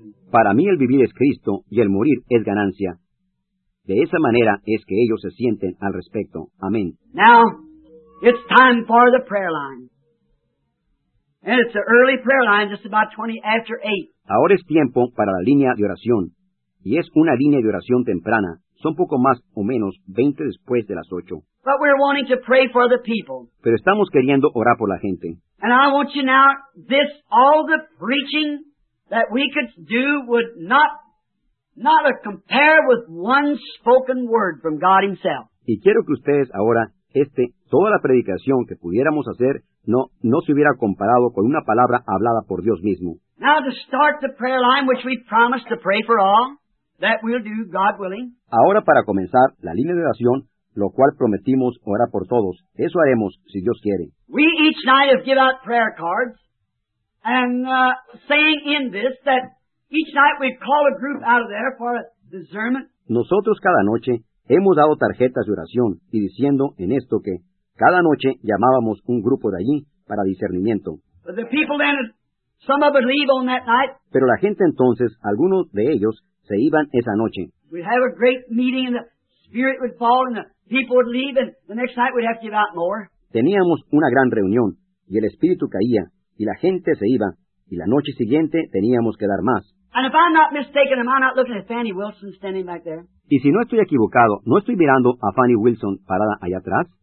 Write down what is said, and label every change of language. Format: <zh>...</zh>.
<es>Para mí el vivir es Cristo y el morir es ganancia. De esa manera es que ellos se sienten al respecto. Amén.</es> <en>Now, it's time for the prayer line. And it's the early prayer line, just about 20 after 8.</en> <es>Ahora es tiempo para la línea de oración. Y es una línea de oración temprana. Son poco más o menos 20 después de las 8.</es> <en>But we're wanting to pray for the people.</en> <es>Pero estamos queriendo orar por la gente.</es> <en>And I want you now, this, all the preaching that we could do would not a compare with one spoken word from God himself.</en> <es>Y quiero que ustedes ahora, toda la predicación que pudiéramos hacer, no se hubiera comparado con una palabra hablada por Dios mismo.</es> <en>Now to start the prayer line, which we promised to pray for all, that we'll do God willing.</en> <es>Ahora para comenzar la línea de oración, lo cual prometimos orar por todos, eso haremos si Dios quiere.</es> <en>We each night have given out prayer cards, and saying in this that each night we call a group out of there for a discernment.</en> <es>Nosotros cada noche hemos dado tarjetas de oración y diciendo en esto que cada noche llamábamos un grupo de allí para discernimiento.</es> <en>But the people then, some of them leave on that night.</en> <es>Pero la gente entonces, algunos de ellos, se iban esa noche.</es> <en>We'd have a great meeting and the spirit would fall and the people would leave and the next night we'd have to give out more.</en> <es>Teníamos una gran reunión y el espíritu caía y la gente se iba. Y la noche siguiente teníamos que dar más.</es> <en>And if I'm not mistaken, am I not looking at Fanny Wilson standing back there?</en> <es>Y si no estoy equivocado, ¿no estoy mirando a Fanny Wilson parada allá atrás?</es>